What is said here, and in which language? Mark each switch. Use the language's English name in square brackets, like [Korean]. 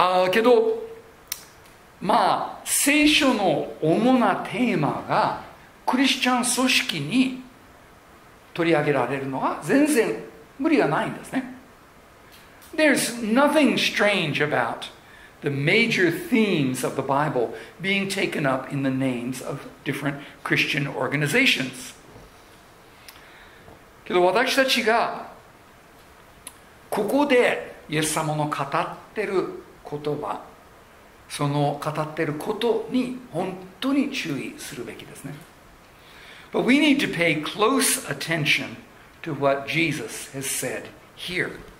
[Japanese] けどまあ、聖書の主なテーマがクリスチャン組織に取り上げられるのは全然無理がないんですね。 [English] There's nothing strange about the major themes of the Bible being taken up in the names of different Christian organizations. [Japanese] けど私たちがここでイエス様の語ってる言葉、その語っていることに本当に注意するべきですね。 [English] But we need to pay close attention to what Jesus has said here.